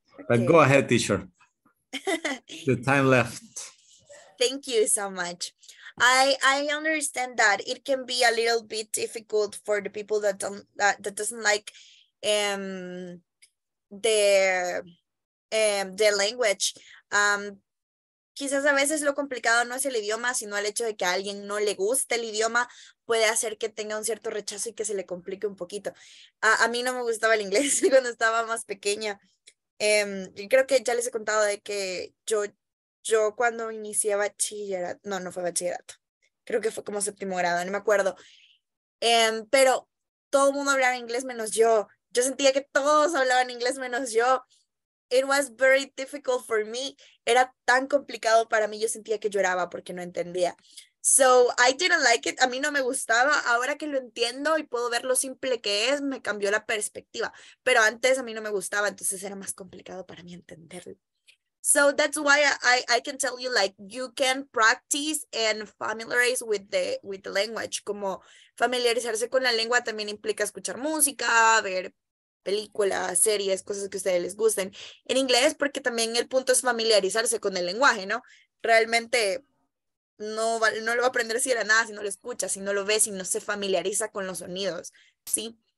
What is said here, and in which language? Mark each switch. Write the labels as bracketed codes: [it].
[en] But okay. Go ahead, teacher. The time left. Thank you so much. I understand that it can be a little bit difficult for the people that doesn't like the language. [es] Quizás a veces lo complicado no es el idioma, sino el hecho de que a alguien no le guste el idioma puede hacer que tenga un cierto rechazo y que se le complique un poquito. A mí no me gustaba el inglés cuando estaba más pequeña. Yo creo que ya les he contado de que yo cuando inicié bachillerato, no fue bachillerato, creo que fue como séptimo grado, no me acuerdo, pero todo el mundo hablaba inglés menos yo. Yo sentía que todos hablaban inglés menos yo. [en] It was very difficult for me. [es] Era tan complicado para mí. Yo sentía que lloraba porque no entendía. [en] So I didn't like it. [es] A mí no me gustaba. Ahora que lo entiendo y puedo ver lo simple que es, me cambió la perspectiva. Pero antes a mí no me gustaba. Entonces era más complicado para mí entenderlo. [en] So that's why I can tell you, like, you can practice and familiarize with the language. [es] Como familiarizarse con la lengua también implica escuchar música, ver películas, series, cosas que a ustedes les gusten en inglés, porque también el punto es familiarizarse con el lenguaje, ¿no? Realmente no lo va a aprender si era nada, si no lo escucha, si no lo ve, si no se familiariza con los sonidos, ¿sí?